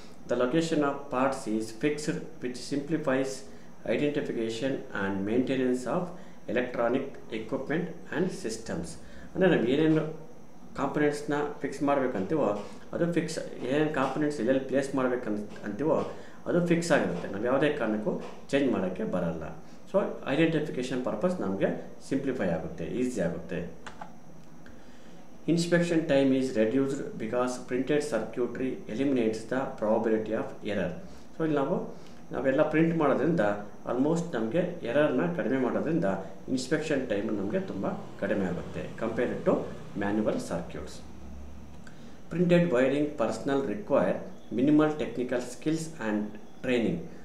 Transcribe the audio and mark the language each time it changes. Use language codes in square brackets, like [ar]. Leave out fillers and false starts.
[en] the location of parts is fixed which simplifies identification and maintenance of electronic equipment and systems [kn] ಅಂದರೆ ನಾವು ಏನೇನು ಕಾಂಪೊನೆಂಟ್ಸ್ನ fix ಮಾಡಬೇಕಂತೀವೋ ಅದು fix ಏನೇನು components ಎಲ್ಲೆಲ್ಲಿ place ಮಾಡಬೇಕಂತೀವೋ ಅದು ಫಿಕ್ಸ್ ಆಗಿರುತ್ತೆ. ನಾವು ಯಾವುದೇ ಕಾರಣಕ್ಕೂ ಚೇಂಜ್ ಮಾಡೋಕ್ಕೆ ಬರಲ್ಲ. ಸೊ ಐಡೆಂಟಿಫಿಕೇಷನ್ ಪರ್ಪಸ್ ನಮಗೆ ಸಿಂಪ್ಲಿಫೈ ಆಗುತ್ತೆ, ಈಸಿ ಆಗುತ್ತೆ. [en] inspection time is reduced because printed circuitry eliminates the probability of error. [kn] So ನಾವೆಲ್ಲ ಪ್ರಿಂಟ್ ಮಾಡೋದ್ರಿಂದ ಆಲ್ಮೋಸ್ಟ್ ನಮಗೆ ಎರರ್ನ ಕಡಿಮೆ ಮಾಡೋದ್ರಿಂದ ಇನ್ಸ್ಪೆಕ್ಷನ್ ಟೈಮ್ ನಮಗೆ ತುಂಬ ಕಡಿಮೆ ಆಗುತ್ತೆ [en] Compared to manual circuits. Printed wiring personnel require minimal technical skills and training.